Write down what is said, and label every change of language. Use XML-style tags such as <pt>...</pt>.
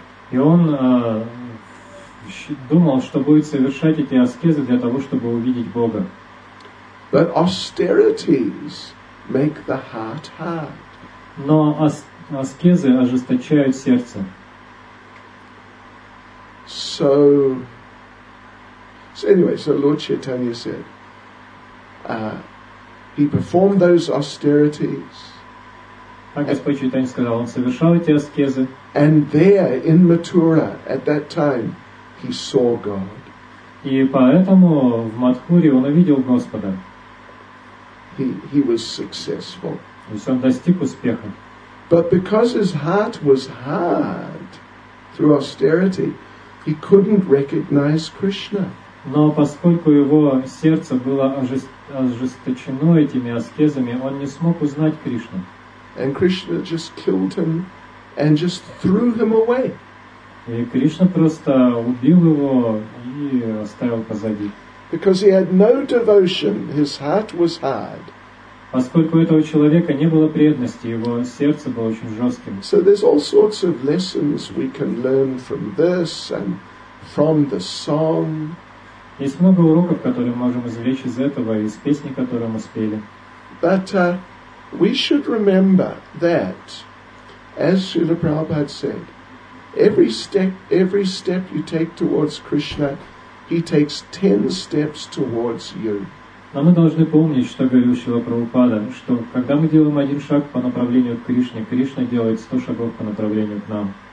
<ru>И он думал, что будет совершать эти аскезы для того, чтобы увидеть Бога.</ru> <en>But austerities make the heart hard.</en> <ru>Но аскезы ожесточают сердце.</ru> <en>So Lord Chaitanya said, he performed those austerities.</en> <ru>А Господь Чайтанья сказал, он совершал эти аскезы.</ru> <en>And there, in Mathura, at that time, he saw God.</en> <ru>И поэтому в Матхуре он увидел Господа.</ru> <en>He was successful.</en> <ru>То есть он достиг успеха.</ru> <en>But because his heart was hard through austerity, he couldn't recognize Krishna.</en> <ru>Но поскольку его сердце было ожесточено этими аскезами, он не смог узнать Кришну.</ru> <en>And Krishna just killed him and just threw him away.</en> <ru>И Кришна просто убил его и оставил позади.</ru> <en>Because he had no devotion, his heart was hard.</en> <ru>Поскольку у этого человека не было преданности, его сердце было очень жестким.</ru> <en>So there's all sorts of lessons we can learn from this and from the song.</en> <ru>Есть много уроков, которые мы можем извлечь из этого и из песни, которую мы спели.</ru> <en>We should remember that, as Srila Prabhupada said, every step you take towards Krishna He takes 10 steps towards you.</en> <ru>Но мы должны помнить, что говорил Шрила Прабхупада, что когда мы делаем один шаг по направлению к Кришне, Кришна делает 100 шагов по направлению к нам.</ru>